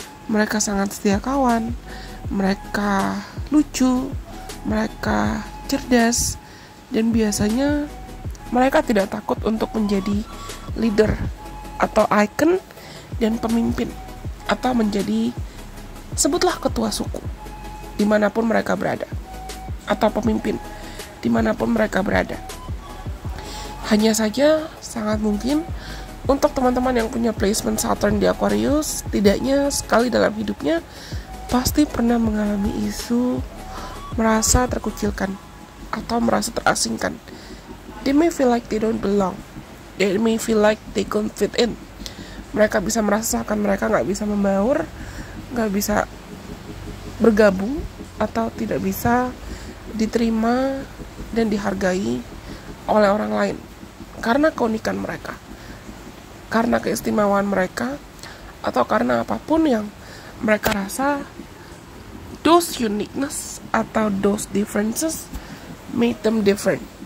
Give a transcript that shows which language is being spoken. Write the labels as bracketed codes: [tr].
[id] Mereka sangat setia kawan, mereka lucu, mereka cerdas, dan biasanya mereka tidak takut untuk menjadi leader atau icon dan pemimpin atau menjadi sebutlah ketua suku dimanapun mereka berada atau pemimpin dimanapun mereka berada. Hanya saja sangat mungkin untuk teman-teman yang punya placement Saturn di Aquarius, tidaknya sekali dalam hidupnya pasti pernah mengalami isu merasa terkucilkan atau merasa terasingkan. [en] They may feel like they don't belong. They may feel like they couldn't fit in. [id] Mereka bisa merasakan mereka gak bisa membaur, gak bisa bergabung, atau tidak bisa diterima dan dihargai oleh orang lain karena keunikan mereka, karena keistimewaan mereka, atau karena apapun yang mereka rasa [en] those uniqueness [id] atau [en] those differences made them different.